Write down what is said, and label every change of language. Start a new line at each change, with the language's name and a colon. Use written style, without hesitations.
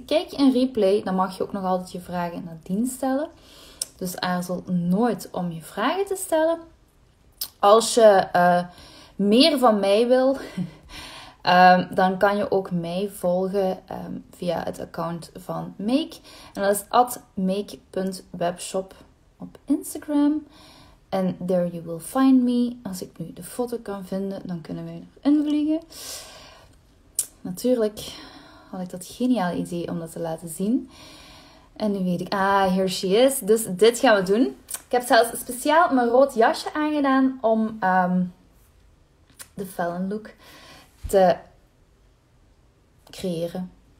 Dutch: Kijk een replay, dan mag je ook nog altijd je vragen nadien stellen. Dus aarzel nooit om je vragen te stellen. Als je meer van mij wil, dan kan je ook mij volgen via het account van Make. En dat is @make.webshop op Instagram.
English: And there you will find me.
Dutch: Als ik nu de foto kan vinden, dan kunnen we erin vliegen. Natuurlijk had ik dat geniaal idee om dat te laten zien. En nu weet ik,
English: here she is.
Dutch: Dus dit gaan we doen. Ik heb zelfs speciaal mijn rood jasje aangedaan om de Fallon look te creëren.